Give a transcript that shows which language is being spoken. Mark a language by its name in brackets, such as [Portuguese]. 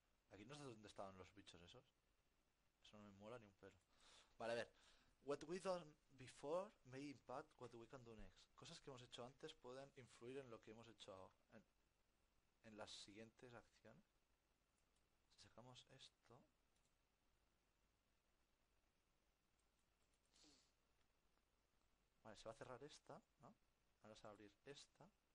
[Spanish] Aquí no sé dónde estaban los bichos esos. Eso no me mola ni un pelo. Vale, a ver. [English] What we done before may impact what we can do next. [Spanish] Cosas que hemos hecho antes pueden influir en lo que hemos hecho ahora. En las siguientes acciones. Si sacamos esto. Vale, se va a cerrar esta, ¿no? Ahora se va a abrir esta.